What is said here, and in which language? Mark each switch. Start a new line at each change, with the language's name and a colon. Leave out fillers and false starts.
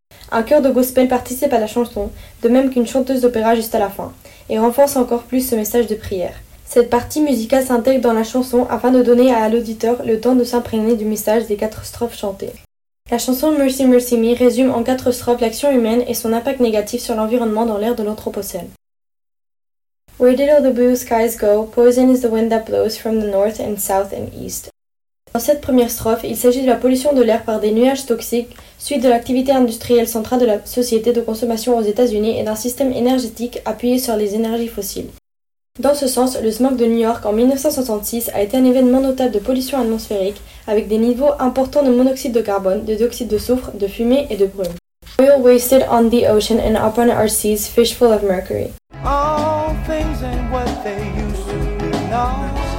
French: Un chœur de gospel participe à la chanson, de même qu'une chanteuse d'opéra juste à la fin, et renforce encore plus ce message de prière. Cette partie musicale s'intègre dans la chanson afin de donner à l'auditeur le temps de s'imprégner du message des quatre strophes chantées. La chanson Mercy Mercy Me résume en quatre strophes l'action humaine et son impact négatif sur l'environnement dans l'ère de l'Anthropocène.
English: Where did all the blue skies go? Poison is the wind that blows from the north and south and east.
French: Dans cette première strophe, il s'agit de la pollution de l'air par des nuages toxiques suite de l'activité industrielle centrale de la société de consommation aux États-Unis et d'un système énergétique appuyé sur les énergies fossiles. Dans ce sens, le smog de New York en 1966 a été un événement notable de pollution atmosphérique avec des niveaux importants de monoxyde de carbone, de dioxyde de soufre, de fumée et de brume.
English: Oil wasted on the ocean and upon our seas, fish full of mercury. All things and what they used to be not.